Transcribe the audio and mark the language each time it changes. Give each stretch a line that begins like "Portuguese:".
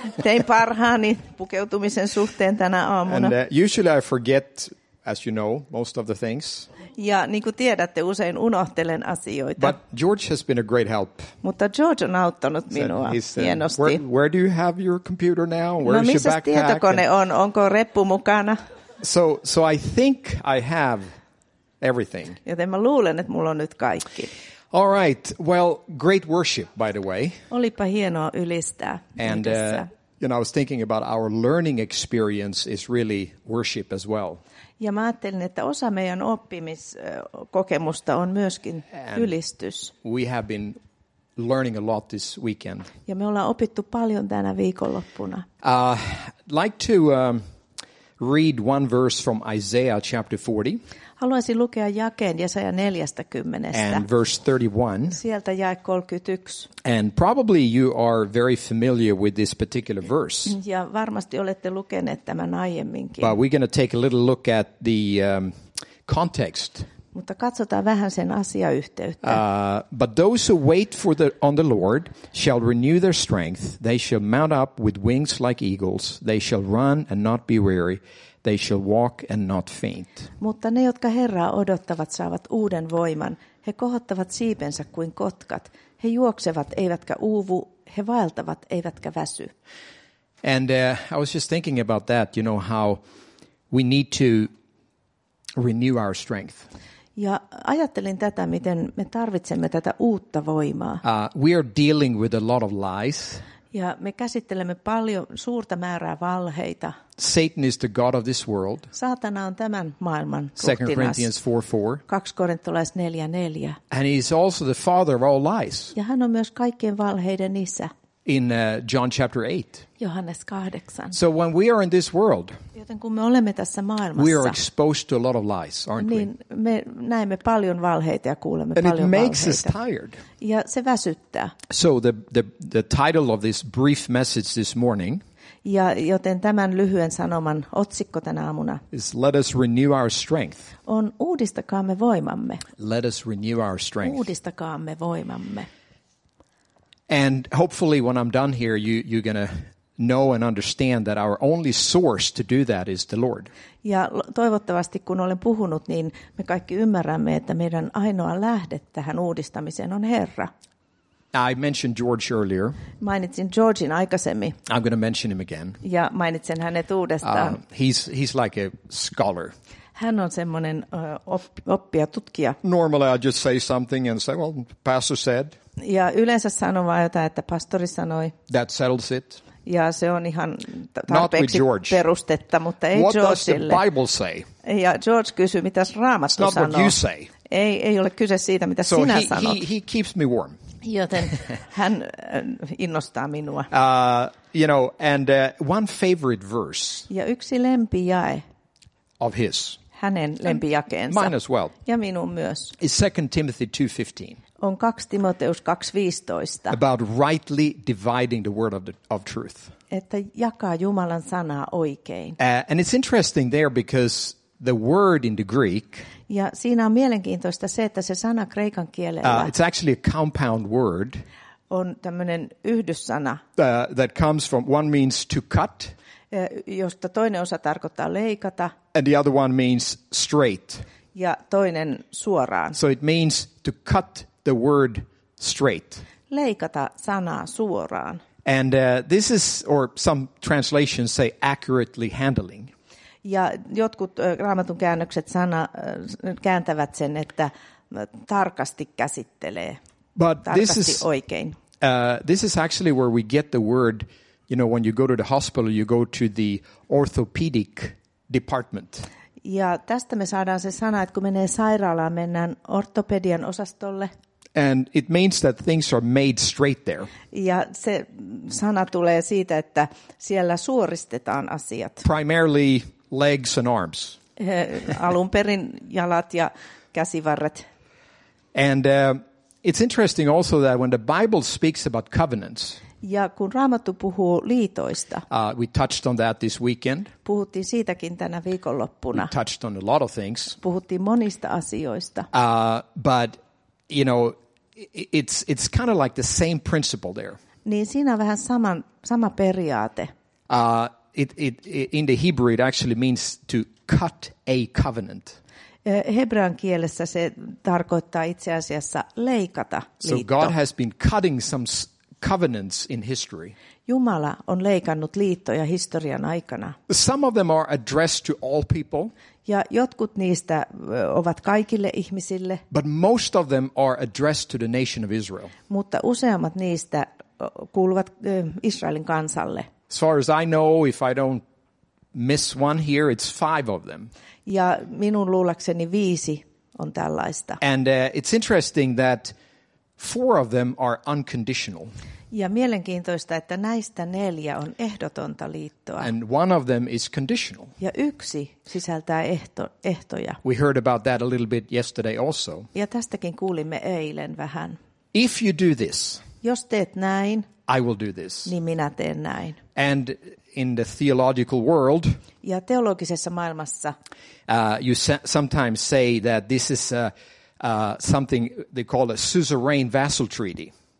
Finnish: Tein parhaani pukeutumisen suhteen tänä aamuna.
English: And usually I forget, as you know, most of the things.
Finnish: Ja niin kuin tiedätte, usein unohtelen asioita.
English: But George has been a great help.
Finnish: Mutta George on auttanut minua hienosti.
English: Where do you have your computer now? Where is your backpack?
Finnish: No, missä tietokone on? Onko reppu mukana?
English: So I think I have everything.
Finnish: Joten mä luulen, että mulla on nyt kaikki.
English: All right. Well, great worship, by the way.
Finnish: Olipa hienoa ylistää.
English: And you know, I was thinking about our learning experience is really worship as well.
Finnish: Ja mä ajattelin, että osa meidän oppimiskokemusta on myöskin ylistys.
English: We have been learning a lot this weekend.
Finnish: Ja me ollaan opittu paljon tänä viikonloppuna.
English: Like to read one verse from Isaiah chapter 40.
Finnish: Haluaisin lukea jakeen Jesaja 40.
English: And verse 31.
Finnish: Sieltä jae 31.
English: And probably you are very familiar with this particular verse.
Finnish: Ja varmasti olette lukeneet tämän aiemminkin.
English: But we're going to take a little look at the context.
Finnish: Mutta katsotaan vähän sen asiayhteyttä.
English: But those who wait for on the Lord shall renew their strength. They shall mount up with wings like eagles. They shall run and not be weary. They shall walk and not faint.
Finnish: Mutta ne, jotka Herraa odottavat, saavat uuden voiman. He kohottavat siipensä kuin kotkat. He juoksevat, eivätkä uuvu. He vaeltavat, eivätkä väsy.
English: And I was just thinking about that, you know, how we need to renew our strength.
Finnish: Ja ajattelin tätä, miten me tarvitsemme tätä uutta voimaa.
English: We are dealing with a lot of lies.
Finnish: Ja me käsittelemme paljon suurta määrää valheita.
English: Satan is the god of this world.
Finnish: Saatana on tämän maailman ruhtinas.
English: 2 Corinthians 4:4.
Finnish: 2 Korintolais 4:4.
English: And he is also the father of all lies.
Finnish: Ja hän on myös kaikkien valheiden isä.
English: In John chapter 8.
Finnish: Johannes 8.
English: So when we are in this world,
Finnish: joten kun me olemme tässä maailmassa,
English: we are exposed to a lot of lies, aren't we?
Finnish: Niin me näemme paljon valheita ja kuulemme
English: and
Finnish: paljon valheita.
English: And it makes us tired.
Finnish: Ja se väsyttää.
English: So the title of this brief message this morning.
Finnish: Ja joten tämän lyhyen sanoman otsikko tänä aamuna
English: is let us renew our strength.
Finnish: On uudistakaamme voimamme.
English: Let us renew our strength.
Finnish: Uudistakaamme voimamme.
English: And hopefully when I'm done here you're going to know and understand that our only source to do that is the Lord.
Finnish: Ja toivottavasti kun olen puhunut, niin me kaikki ymmärrämme, että meidän ainoa lähde tähän uudistamiseen on Herra.
English: I mentioned George earlier.
Finnish: Mainitsin Georgein aikaisemmin.
English: I'm going to mention him again.
Finnish: Ja mainitsen hänet uudestaan.
English: He's like a scholar.
Finnish: Hän on semmoinen oppia tutkija.
English: Normally I just say something and say, well, pastor said.
Finnish: Ja yleensä sanon vain jotain, että pastori sanoi.
English: That settles it.
Finnish: Ja se on ihan tarpeeksi perustetta, mutta ei
English: what
Finnish: Georgeille.
English: What does the Bible say?
Finnish: Ja George kysyy, mitä Raamattu sanoo.
English: It's not what you say.
Finnish: Ei ole kyse siitä, mitä
English: so
Finnish: sinä
English: he,
Finnish: sanot.
English: He keeps me warm.
Finnish: Joten hän innostaa minua.
English: You know, and one favorite verse.
Finnish: Ja yksi lempijae.
English: Of his.
Finnish: Hänen lempijakeensa.
English: Mine as well.
Finnish: Ja minun myös.
English: Is 2 Timothy 2:15.
Finnish: On 2 Timoteus 2:15.
English: About rightly dividing the word of truth.
Finnish: Että jakaa Jumalan sanaa oikein.
English: And it's interesting there because the word in the Greek.
Finnish: Ja siinä on mielenkiintoista se, että se sana kreikan kielellä.
English: It's actually a compound word.
Finnish: On tämmöinen yhdyssana.
English: That comes from one means to cut.
Finnish: Josta toinen osa tarkoittaa leikata.
English: And the other one means straight.
Finnish: Ja toinen suoraan.
English: So it means to cut the word straight.
Finnish: Leikata sanaa suoraan.
English: And this is, or some translations say accurately handling.
Finnish: Ja jotkut Raamatun käännökset kääntävät sen, että tarkasti käsittelee.
English: But
Finnish: tarkasti
English: this is
Finnish: oikein.
English: This is actually where we get the word, you know, when you go to the hospital, you go to the orthopedic department.
Finnish: Ja tästä me saadaan se sana, että kun menee sairaalaan, mennään ortopedian osastolle.
English: And it means that things are made straight there.
Finnish: Ja se sana tulee siitä, että siellä suoristetaan asiat.
English: Primarily legs and arms.
Finnish: Alun perin jalat ja käsivarret.
English: And it's interesting also that when the Bible speaks about covenants.
Finnish: Ja kun Raamattu puhuu liitoista.
English: We touched on that this weekend.
Finnish: Puhuttiin siitäkin tänä viikonloppuna.
English: We touched on a lot of things.
Finnish: Puhuttiin monista asioista.
English: But you know, it's kind of like the same principle there.
Finnish: Niin siinä on vähän sama periaate.
English: It in the Hebrew it actually means to cut a covenant.
Finnish: Hebrean kielessä se tarkoittaa itse asiassa leikata liitto.
English: So God has been cutting some covenants in history.
Finnish: Jumala on leikannut liittoja historian aikana.
English: Some of them are addressed to all people.
Finnish: Ja jotkut niistä ovat kaikille ihmisille.
English: But most of them are addressed to the nation of Israel.
Finnish: Mutta useammat niistä kuuluvat Israelin kansalle.
English: As far as I know, if I don't miss one here, it's 5 of them.
Finnish: Ja minun luulakseni 5 on tällaista.
English: And it's interesting that 4 of them are unconditional.
Finnish: Ja mielenkiintoista, että näistä 4 on ehdotonta liittoa.
English: And one of them is conditional.
Finnish: Ja 1 sisältää ehtoja.
English: We heard about that a little bit yesterday also.
Finnish: Ja tästäkin kuulimme eilen vähän.
English: If you do this,
Finnish: jos teet näin,
English: I will do this.
Finnish: Niin minä teen näin.
English: And in the theological world,
Finnish: ja teologisessa maailmassa,
English: you sometimes say that this is something they call a suzerain vassal treaty.